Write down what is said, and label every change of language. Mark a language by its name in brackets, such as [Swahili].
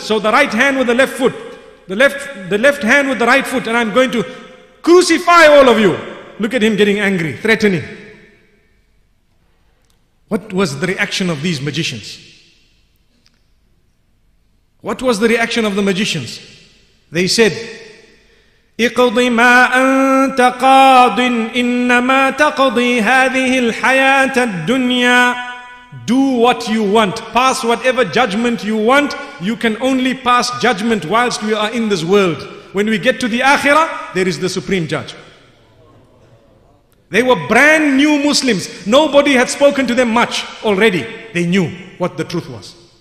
[English] So the right hand with the left foot, the left hand with the right foot, and I'm going to crucify all of you. Look at him getting angry, threatening. What was the reaction of these magicians? What was the reaction of the magicians? They said, [Arabic] اقض ما أنت قاض إنما تقضي هذه الحياة الدنيا [English] Do what you want. Pass whatever judgment you want. You can only pass judgment whilst we are in this world. When we get to the Akhirah, there is the Supreme Judge. They were brand new Muslims. Nobody had spoken to them much already. They knew what the truth was.